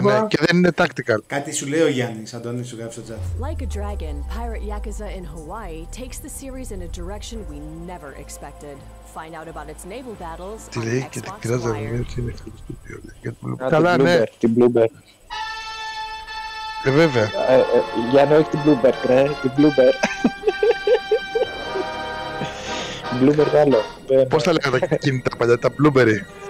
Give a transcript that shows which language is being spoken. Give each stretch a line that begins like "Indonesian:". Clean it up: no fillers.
Greek: ναι, και δεν είναι tactical. Κάτι σου λέει ο Γιάννης, Αντώνη, σου γράφει στο chat.
English: Like a dragon, Pirate Yakuza in Hawaii takes the series in a direction we never expected. Find out about its naval battles.
Greek: Τι λέει και τι κράζα, δεν είναι στο studio. Καλά, ναι. Την Bloomberg. Βέβαια. Γιάννη, όχι την Bloomberg, ρε, την Bloomberg. Bloomberg άλλο. Πώς θα λέγανε τα κινητά παλιά, τα Bloomberg.